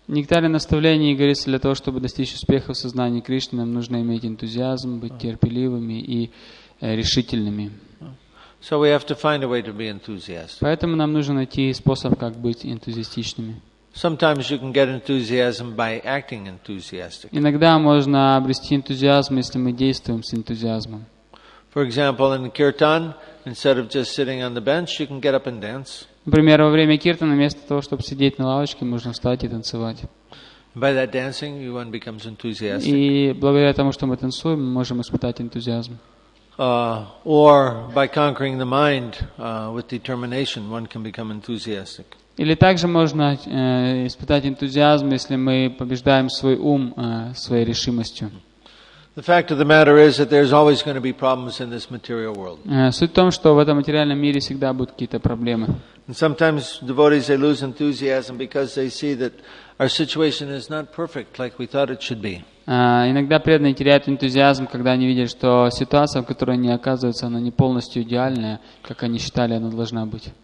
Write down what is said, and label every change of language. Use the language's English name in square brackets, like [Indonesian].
[Russian] Нектаре наставлений говорится, для того, чтобы достичь успеха в сознании Кришны, нам нужно иметь энтузиазм, быть терпеливыми и решительными. [English] So we have to find a way to be enthusiastic. [Russian] Поэтому нам нужно найти способ, как быть энтузиастичными. [English] Sometimes you can get enthusiasm by acting enthusiastic. [Russian] Иногда можно обрести энтузиазм, если мы действуем с энтузиазмом. [English] For example, in kirtan, instead of just sitting on the bench, you can get up and dance. [Russian] Например, во время киртана вместо того, чтобы сидеть на лавочке, можно встать и танцевать. [English] By that dancing, one becomes enthusiastic. [Russian] И благодаря тому, что мы танцуем, мы можем испытать энтузиазм. [English] Or by conquering the mind with determination, one can become enthusiastic. [Russian] Или также можно испытать энтузиазм, если мы побеждаем свой ум своей решимостью. [English] The fact of the matter is that there's always going to be problems in this material world. [Russian] Суть в том, что в этом материальном мире всегда будут какие-то проблемы. [English] And sometimes devotees they lose enthusiasm because they see that our situation is not perfect like we thought it should be. [Russian] Иногда преданные теряют энтузиазм, когда они видят, что ситуация, в которой они оказываются, она не полностью идеальная, как они считали, она должна быть.